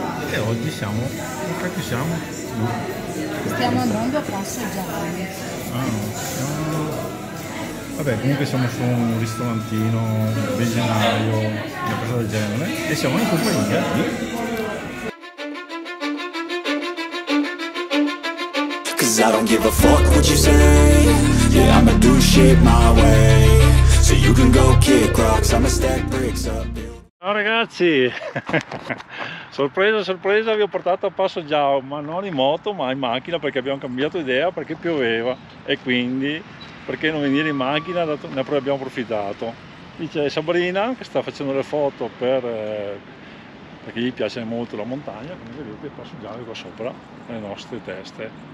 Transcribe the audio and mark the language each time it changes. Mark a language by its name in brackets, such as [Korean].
[Italian] E oggi siamo, perché ci siamo? Stiamo andando a Passo Giau. Vabbè, comunque siamo su un ristorantino, vegetariano, una cosa del genere, e siamo in compagnia di... [English] I don't give a fuck what you say. Yeah, I'ma do shit my way. So you can go kick rocks, I'ma stack bricks up. [Italian] Ciao ragazzi! Sorpresa, vi ho portato a Passo Giau, ma non in moto, ma in macchina, perché abbiamo cambiato idea perché pioveva. E quindi, perché non venire in macchina, dato ne abbiamo approfittato. Qui c'è Sabrina che sta facendo le foto perché gli piace molto la montagna, come vedete Passo Giau qua sopra le nostre teste.